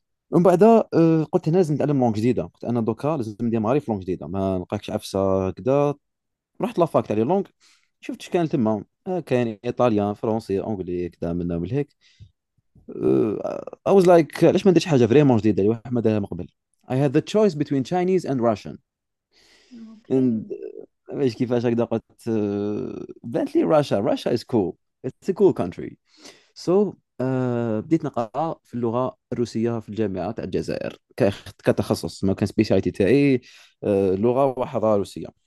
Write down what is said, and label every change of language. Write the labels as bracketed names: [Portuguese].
[Arabic] من بعد قلت لازم نتعلم لونغ جديده، قلت انا دوكا لازم ديماري في لونغ جديده، ما نلقاكش عفسه كذا. رحت لافاك تاع لي لونغ، شفت اش كان تما، كاين ايطاليان فرونسي انجلي كذا من هنا هيك. [English] I was like [Arabic] علاش ما نديرش حاجة فريمون جديدة اللي واحد ما دارها من قبل. [English] I had the choice between Chinese and Russian. Okay And [Arabic] ماشي كيفاش هكذا، قلت بانت لي Russia. [English] Russia is cool. It's a cool country. So [Arabic] بديت نقرا في اللغة الروسية في الجامعة تاع الجزائر كتخصص، ما كان سبيشاليتي تاعي لغة وحضارة روسية.